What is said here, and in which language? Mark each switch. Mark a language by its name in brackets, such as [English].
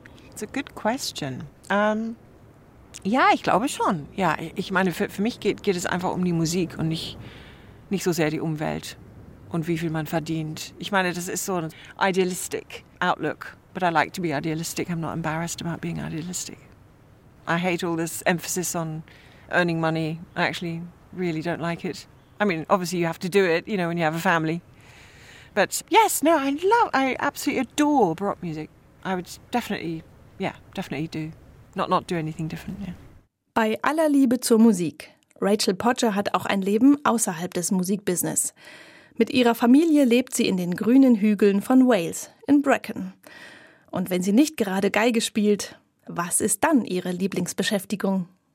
[English] It's a good question. [German] Ja, ich glaube schon. Ja, ich meine, für mich geht es einfach um die Musik und nicht so sehr die Umwelt und wie viel man verdient. Ich meine, das ist so ein [English] idealistic outlook. But I like to be idealistic. I'm not embarrassed about being idealistic. I hate all this emphasis on earning money. I actually really don't like it. I mean, obviously you have to do it, you know, when you have a family. But yes, no, I absolutely adore Baroque music. I would definitely do. Not do anything different, yeah. [German] Bei aller Liebe zur Musik, Rachel Podger hat auch ein Leben außerhalb des Musikbusiness. Mit ihrer Familie lebt sie in den grünen Hügeln von Wales, in Brecon. Und wenn sie nicht gerade Geige spielt, was ist dann ihre Lieblingsbeschäftigung?